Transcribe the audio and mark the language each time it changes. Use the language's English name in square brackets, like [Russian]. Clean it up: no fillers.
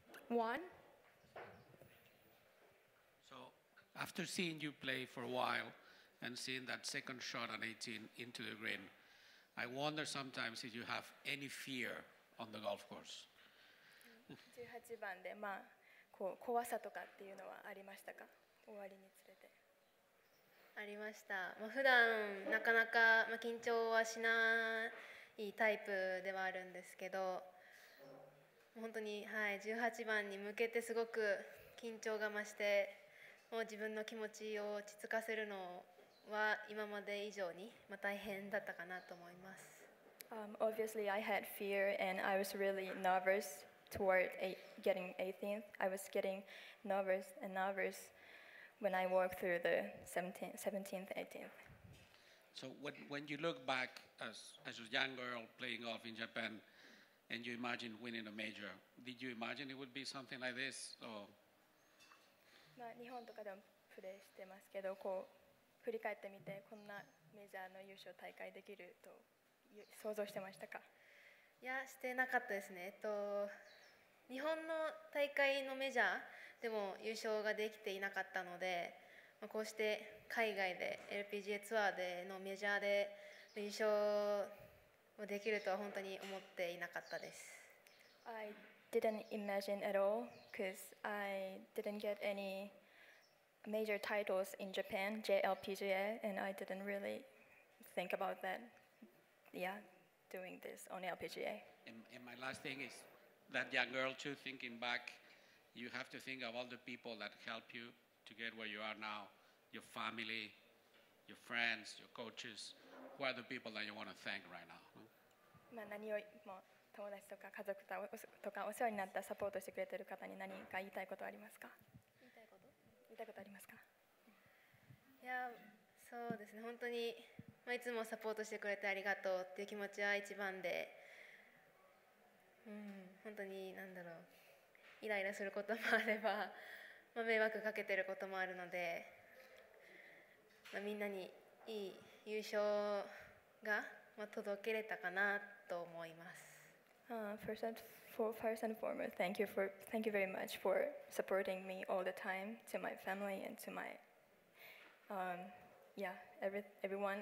[English] Juan? So, after seeing you play for a while and seeing that second shot on 18 into the green, I wonder sometimes if you have any fear on the golf course. [Japanese] 18番で、まあ、こう、怖さとかっていうのはありましたか？終わりにつれて。ありました。まあ、普段なかなか、まあ、緊張はしないいいタイプではあるんですけど、本当に、はい、18番に向けてすごく緊張が増して、もう自分の気持ちを落ち着かせるのは今まで以上に、まあ、大変だったかなと思います。 [English] Obviously I had fear and I was really nervous toward getting 18th. I was getting nervous and nervous when I walked through the 17th, 18th. So when you look back as a young girl playing golf in Japan and you imagine winning a major, did you imagine it would be something like this? Or? [Japanese] まあ、日本とかでもプレーしてますけど、こう振り返ってみて、こんなメジャーの優勝大会できると想像してましたか？いや、してなかったですね。日本の大会のメジャーでも優勝ができていなかったので、こうして海外で LPGA ツアーでのメジャーで優勝をできるとは本当に思っていなかったです。 [English] I didn't imagine at all because I didn't get any major titles in Japan, JLPGA, and I didn't really think about that, yeah, doing this on LPGA. And my last thing is that young girl too, thinking back, you have to think of all the people that help youto get where you are now, your family, your friends, your coaches, who are the people that you want to thank right now? [Japanese] まあ、何よりも友達とか家族とかお世話になったサポートしてくれてる方に何か言いたいことありますか？言いたいことありますか？いや、そうですね、本当に、まあ、いつもサポートしてくれてありがとうっていう気持ちは一番で、本当に何だろう、イライラすることもあれば、まあ、迷惑かけてることもあるので、まあ、みんなにいい優勝が、まあ、届けれたかなと思います。 [English] First and foremost, thank you very much for supporting me all the time to my family and to my, everyone.